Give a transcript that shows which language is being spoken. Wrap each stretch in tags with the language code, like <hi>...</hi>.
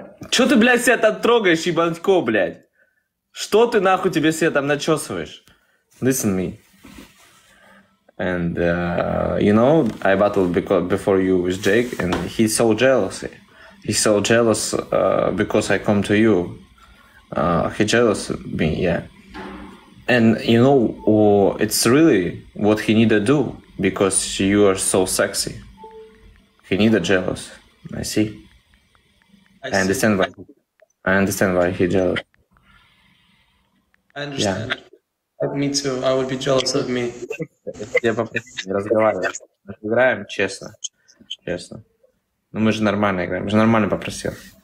<ru>Чё ты, блядь, себя так трогаешь, ебанько, блядь? Что ты нахуй тебе себе там начесываешь?</ru> <en>Listen to me. And you know, I battled before you with Jake, and he's so jealous. He's so jealous because I come to you. He jealous of me, yeah. And you know, it's really what he need to do because you are so sexy. He need a jealous. I see. I understand why he jealous. I understand. Yeah. Me too. I would be jealous of me.</en> <ru>Я попросил, не разговаривай. Мы играем честно. Ну мы же нормально играем. Мы же нормально попросил.</ru>